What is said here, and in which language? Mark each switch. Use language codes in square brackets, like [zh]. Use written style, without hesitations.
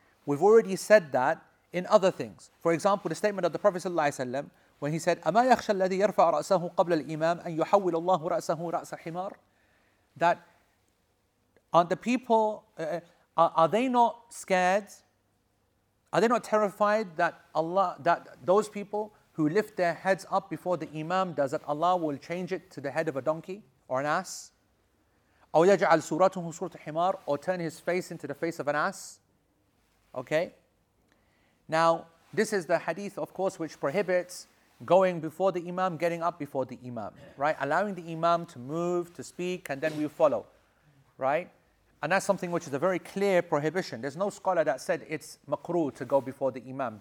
[en] We've already said that in other things. For example, the statement of the Prophet sallallahu alaihi wasallam when he said, [ar] أَمَا يَخْشَى الَّذِي يَرْفَعَ رَأْسَهُ قَبْلَ الْإِمَامِ أَنْ يُحَوِّلَ اللَّهُ رَأْسَهُ رَأْسَ حِمَارٍ, [en] that are the people, are they not scared? Are they not terrified that Allah, that those people who lift their heads up before the imam, does that Allah will change it to the head of a donkey or an ass? [ar] أو يجعل صورته صورة حمار, [en] or turn his face into the face of an ass? Okay? Now, this is the hadith, of course, which prohibits going before the imam, getting up before the imam, right? Allowing the imam to move, to speak, and then we follow, right? And that's something which is a very clear prohibition. There's no scholar that said it's makruh to go before the imam.